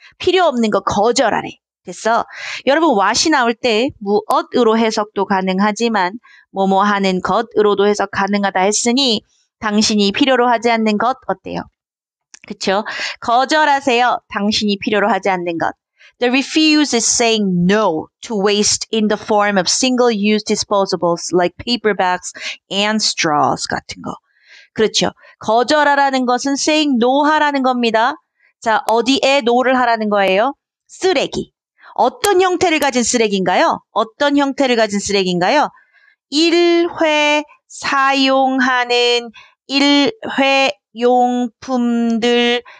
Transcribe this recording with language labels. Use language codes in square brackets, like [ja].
[ko] 필요 없는 거 거절하래. 됐어? 여러분, what이 나올 때 무엇으로 해석도 가능하지만 뭐뭐 하는 것으로도 해석 가능하다 했으니 당신이 필요로 하지 않는 것 어때요? 그쵸? 거절하세요. 당신이 필요로 하지 않는 것. [en] The refuse is saying no to waste in the form of single-use disposables like paper bags and straws [ko] 같은 거. 그렇죠. 거절하라는 것은 [en] saying no [ko] 하라는 겁니다. 자, 어디에 no를 하라는 거예요? 쓰레기. 어떤 형태를 가진 쓰레기인가요? 어떤 형태를 가진 쓰레기인가요? 일회 사용하는 일회용품들.